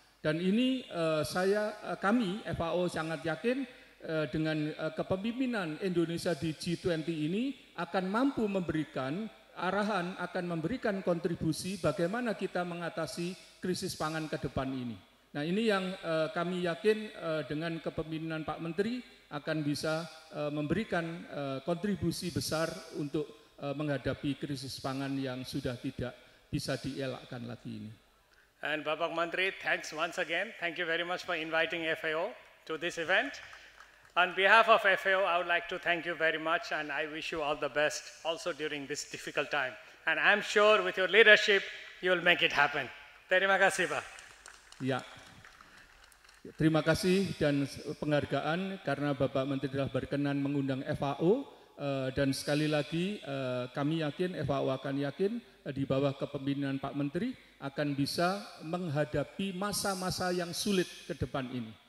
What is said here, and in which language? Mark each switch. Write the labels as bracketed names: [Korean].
[Indonesian] Dan ini kami FAO sangat yakin dengan kepemimpinan Indonesia di G20 ini akan mampu memberikan arahan, akan memberikan kontribusi bagaimana kita mengatasi krisis pangan ke depan ini. Nah ini yang kami yakin dengan kepemimpinan Pak Menteri akan bisa memberikan kontribusi besar untuk menghadapi krisis pangan yang sudah tidak bisa dielakkan lagi ini. [English] And Bapak Menteri, thanks once again. Thank you very much for inviting FAO to this event. On behalf of FAO, I would like to thank you very much and I wish you all the best also during this difficult time. And I'm sure with your leadership, you'll make it happen. [Indonesian] Terima kasih, Pak. Ya, terima kasih dan penghargaan karena Bapak Menteri telah berkenan mengundang FAO dan sekali lagi kami yakin, FAO akan yakin di bawah kepemimpinan Pak Menteri akan bisa menghadapi masa-masa yang sulit ke depan ini.